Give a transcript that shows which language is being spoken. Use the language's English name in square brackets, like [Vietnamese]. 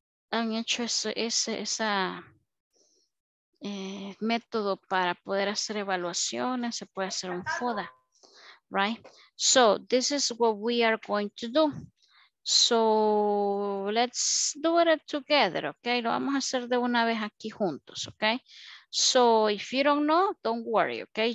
[Spanish] Han hecho ese método para poder hacer evaluaciones, se puede hacer un FODA. [English] Right, so this is what we are going to do. So let's do it together, okay? [Spanish] Lo vamos a hacer de una vez aquí juntos, okay? [English] So if you don't know, don't worry, okay?